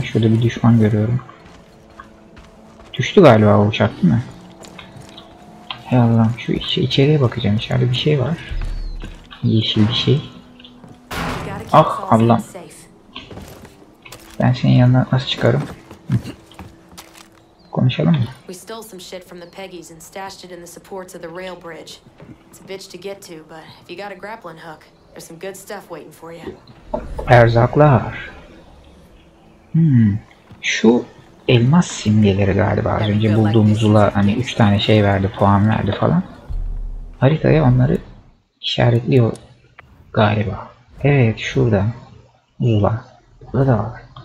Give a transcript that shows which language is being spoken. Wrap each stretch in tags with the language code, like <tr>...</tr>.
<tr>Şurada bir düşman görüyorum. Düştü galiba o uçak değil mi? Hey Allah'ım şu içeriye bakacağım, içeride bir şey var. Yeşil bir şey. Ah Allah'ım. Ben senin yanına nasıl çıkarım? Konuşalım mı?</tr> <en>We stole some shit from the Peggy's and stashed it in the supports of the rail bridge. It's a bitch to get to, but if you got a grappling hook, there's some good stuff waiting for you.</en> <tr>Erzaklar. Şu elmas simgeleri galiba az önce bulduğumuzla hani 3 tane şey verdi, puan verdi falan. Haritaya onları işaretliyor galiba. Evet şurada. Zula. Burada da var.</tr>